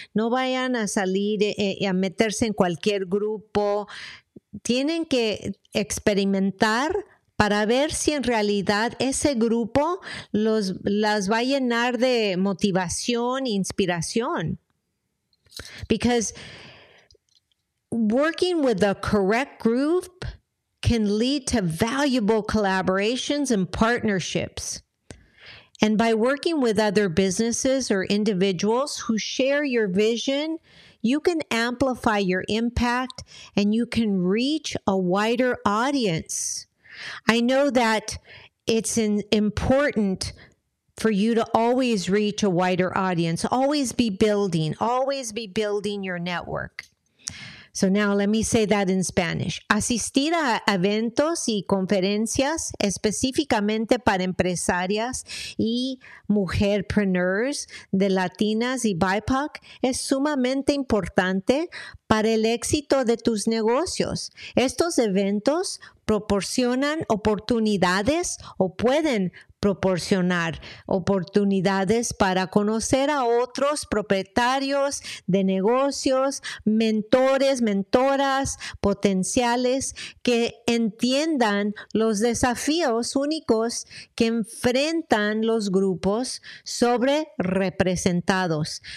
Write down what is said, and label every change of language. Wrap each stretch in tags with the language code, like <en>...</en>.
<es>No vayan a salir a meterse en cualquier grupo. Tienen que experimentar para ver si en realidad ese grupo las va a llenar de motivación e inspiración.</es> <en>Because working with the correct group can lead to valuable collaborations and partnerships. And by working with other businesses or individuals who share your vision, you can amplify your impact and you can reach a wider audience. I know that it's important for you to always reach a wider audience. Always be building your network. So now let me say that in Spanish.</en> <es>Asistir a eventos y conferencias específicamente para empresarias y mujerpreneurs de Latinas y BIPOC es sumamente importante para el éxito de tus negocios. Estos eventos proporcionan oportunidades o pueden proporcionar oportunidades para conocer a otros propietarios de negocios, mentores, mentoras, potenciales que entiendan los desafíos únicos que enfrentan los grupos sobrerepresentados.</es>